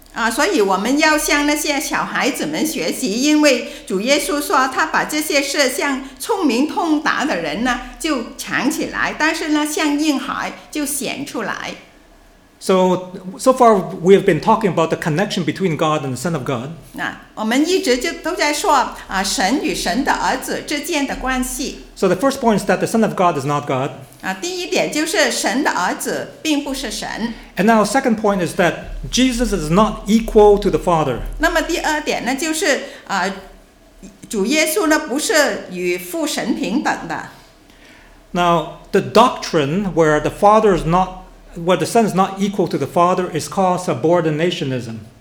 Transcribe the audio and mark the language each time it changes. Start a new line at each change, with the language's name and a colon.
Chinese: 所以我们要向那些小孩子们学习，因为主耶稣说他把这些事向聪明通达的人呢就藏起来，但是呢向婴孩就显出来。
English: So far we have been talking about the connection between God and the Son of God.
Chinese: 我们一直就都在说神与神的儿子之间的关系。
English: So the first point is that the Son of God is not God.
Chinese: 第一点就是神的儿子并不是神。
English: And now second point is that Jesus is not equal to the Father.
Chinese: 那么第二点呢就是主耶稣呢不是与父神平等的。
English: Now the doctrine where the Father is notWhere the Son is not equal to the Father is called subordinationism.